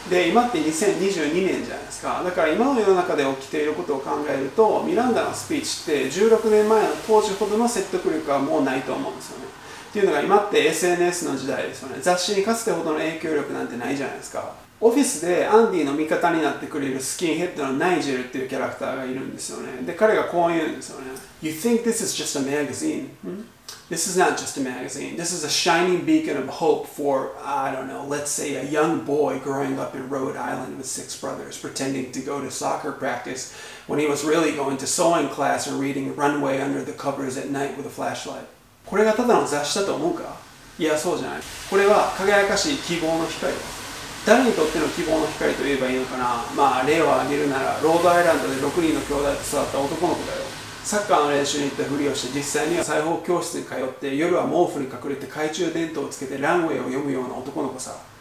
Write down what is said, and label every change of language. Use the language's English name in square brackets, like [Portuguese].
[Japanese] で今って2022年じゃないですか。だから今の世の中で起きていることを考えると、ミランダのスピーチって16年前の当時ほどの説得力はもうないと思うんですよね。っていうのが今って SNS の時代ですよね。雑誌にかつてほどの影響力なんてないじゃないですか。オフィスでアンディの味方になってくれるスキンヘッドのナイジェルっていうキャラクターがいるんですよね。で彼がこう言うんですよね。 [English] You think this is just a magazine?、Hmm? This is not just a magazine. This is a shining beacon of hope for, I don't know, let's say a young boy growing up in Rhode Island with six brothers, pretending to go to soccer practice when he was really going to sewing class or reading Runway Under the Covers at night with a flashlight. [Japanese] これがただの雑誌だと思うか?いや、そうじゃない。これは輝かしい希望の光だ。誰にとっての希望の光と言えばいいのかな?まあ、例を挙げるなら、ロードアイランドで6人の兄弟と育った男の子だよ。サッカーの練習に行ったふりをして、実際には裁縫教室に通って夜は毛布に隠れて懐中電灯をつけてランウェイを読むような男の子さ。